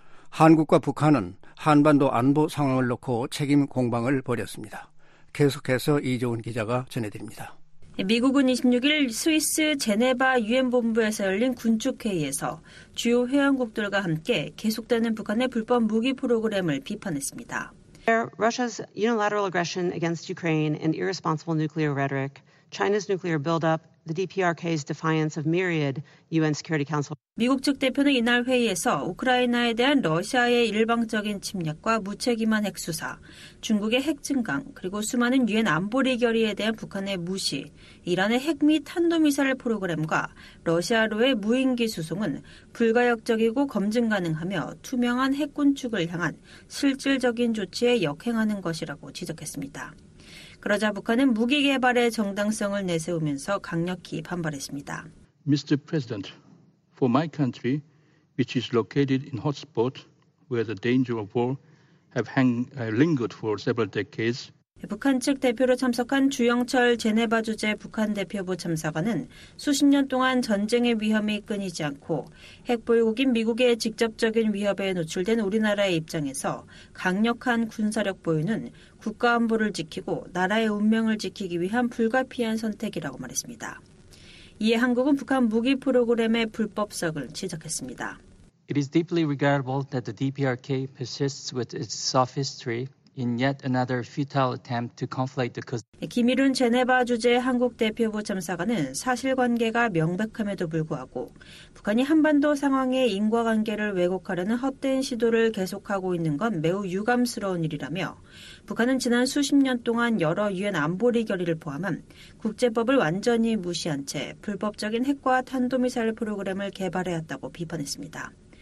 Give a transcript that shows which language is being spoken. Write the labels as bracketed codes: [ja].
[ko] 한국과 북한은 한반도 안보 상황을 놓고 책임 공방을 벌였습니다. 계속해서 이재훈 기자가 전해드립니다. 미국은 26일 스위스 제네바 유엔 본부에서 열린 군축회의에서 주요 회원국들과 함께 계속되는 북한의 불법 무기 프로그램을 비판했습니다. [en] Russia's unilateral aggression against Ukraine and irresponsible nuclear rhetoric, China's nuclear buildup, the DPRK's defiance of myriad UN Security Council. [ko] 미국 측 대표는 이날 회의에서 우크라이나에 대한 러시아의 일방적인 침략과 무책임한 핵수사, 중국의 핵증강, 그리고 수많은 유엔 안보리 결의에 대한 북한의 무시, 이란의 핵 및 탄도미사일 프로그램과 러시아로의 무인기 수송은 불가역적이고 검증 가능하며 투명한 핵군축을 향한 실질적인 조치에 역행하는 것이라고 지적했습니다. 그러자 북한은 무기 개발의 정당성을 내세우면서 강력히 반발했습니다. [en] Mr. President, for my country, which is located in hotspot where the danger of war have lingered for several decades. [ko] 북한 측 대표로 참석한 주영철 제네바 주재 북한 대표부 참사관은 수십 년 동안 전쟁의 위험이 끊이지 않고 핵보유국인 미국의 직접적인 위협에 노출된 우리나라의 입장에서 강력한 군사력 보유는 국가안보를 지키고 나라의 운명을 지키기 위한 불가피한 선택이라고 말했습니다. 이에 한국은 북한 무기 프로그램의 불법성을 지적했습니다. [en] It is deeply regrettable that the DPRK persists with its sophistry in yet another futile attempt to conflate the cause. [ko] 김일훈 제네바 주재 한국 대표부 참사관은 사실관계가 명백함에도 불구하고 북한이 한반도 상황의 인과관계를 왜곡하려는 헛된 시도를 계속하고 있는 건 매우 유감스러운 일이라며 북한은 지난 수십 년 동안 여러 유엔 안보리 결의를 포함한 국제법을 완전히 무시한 채 불법적인 핵과 탄도미사일 프로그램을 개발해왔다고 비판했습니다.